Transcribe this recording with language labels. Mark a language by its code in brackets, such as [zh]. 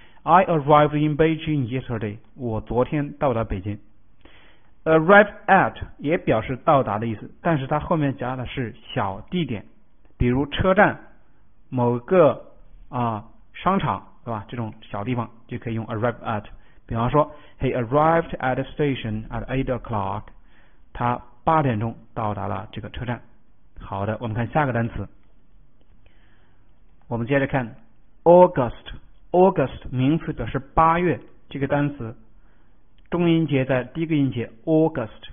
[en] I arrived in Beijing yesterday。 [zh] 我昨天到达北京。 Arrive at 也表示到达的意思，但是它后面加的是小地点，比如车站、某个商场，对吧？这种小地方就可以用 arrive at。比方说， [en] He arrived at the station at 8 o'clock。 [zh] 他8点钟到达了这个车站。好的，我们看下个单词。我们接着看 August。August 名词表示八月，这个单词重音节在第一个音节 August。